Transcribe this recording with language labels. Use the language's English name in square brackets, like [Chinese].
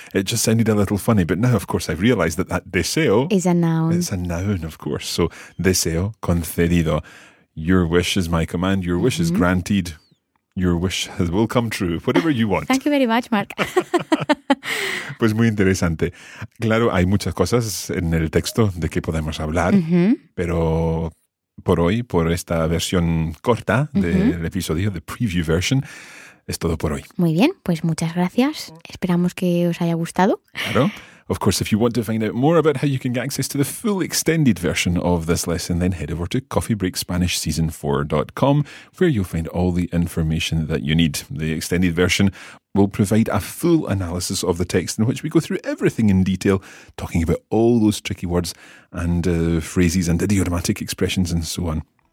[English] It just sounded a little funny. But now, of course, I've realized that that deseo is a noun. It's a noun, of course. So [Spanish] deseo concedido. [English] Your wish is my command. Your wish is granted. Your wish will come true. Whatever you want. Thank you very much, Mark. [Spanish] Pues muy interesante. Claro, hay muchas cosas en el texto de que podemos hablar. Mm-hmm. Pero por hoy, por esta versión corta del episodio, [English] the preview version, [Spanish] es todo por hoy. Muy bien, pues muchas gracias. Esperamos que os haya gustado. Claro. [English] Of course, if you want to find out more about how you can get access to the full extended version of this lesson, then head over to coffeebreakspanishseason4.com, where you'll find all the information that you need. The extended version will provide a full analysis of the text in which we go through everything in detail, talking about all those tricky words and phrases and idiomatic expressions and so on.